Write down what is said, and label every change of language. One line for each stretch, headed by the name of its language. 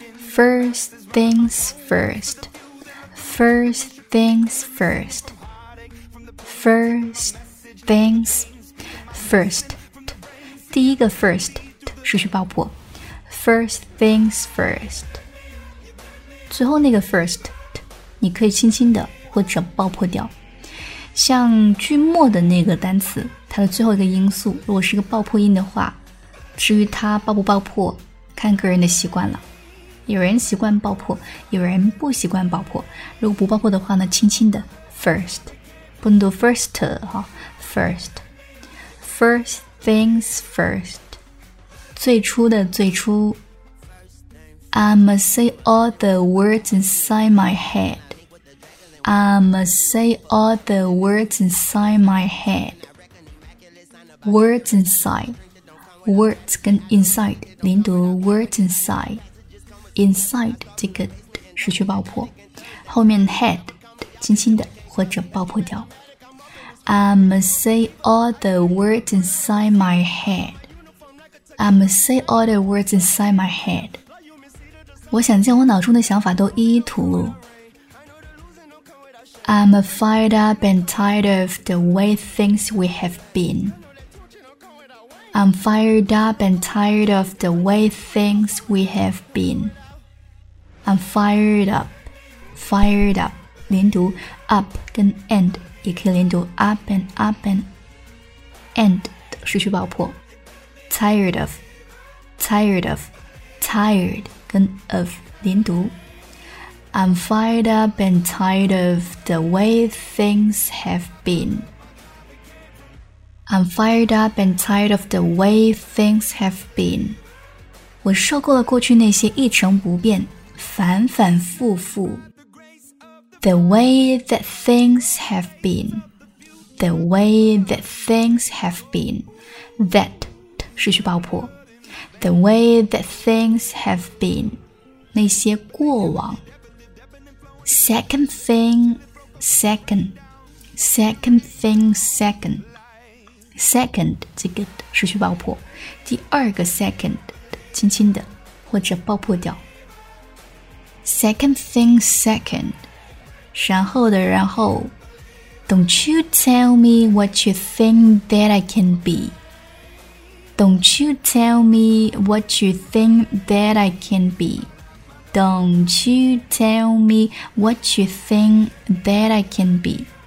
English: First things first, first things first, first things first,
Chinese: 第一个
English: first
Chinese: 失去爆破。
English: First things first,
Chinese: 最后那个 first 你可以轻轻的或者爆破掉，像句末的那个单词，它的最后一个音素如果是一个爆破音的话，至于它爆不爆破看个人的习惯了，有人习惯爆破，有人不习惯爆破。如果不爆破的话呢，轻轻的 first, 不能读 first, first,
English: first things first,
Chinese: 最初的最初。
English: I'ma say all the words inside my head, I'ma say all the words inside my head, words inside,Words 跟 inside 连读 words inside, inside
Chinese: 这个失去爆破，后面
English: head
Chinese: 轻轻的或者爆破掉。
English: I'ma say all the words inside my head. I'ma say all the words inside my head.
Chinese: 我想见我脑中的想法都一一吐露。
English: I'm fired up and tired of the way things we have been. I'm fired up and tired of the way things we have been. I'm fired up, fired up. 连读 up 跟 and
Chinese: 也可以连读
English: up and up and and
Chinese: 失去爆破。
English: Tired of, tired of, tired 跟 of
Chinese: 连读。
English: I'm fired up and tired of the way things have been. I'm fired up and tired of the way things have been.
Chinese: 我受够了过去那些一成不变，反反复复。
English: The way that things have been. The way that things have been. That
Chinese: 失去爆破。
English: The way that things have been.
Chinese: 那些过往。
English: Second thing, second. Second thing, second.
Chinese: Second, 这个失去爆破。第二个 second, 轻轻的或者爆破掉。
English: Second thing, second,
Chinese: 然后的然后。
English: Don't you tell me what you think that I can be. Don't you tell me what you think that I can be. Don't you tell me what you think that I can be.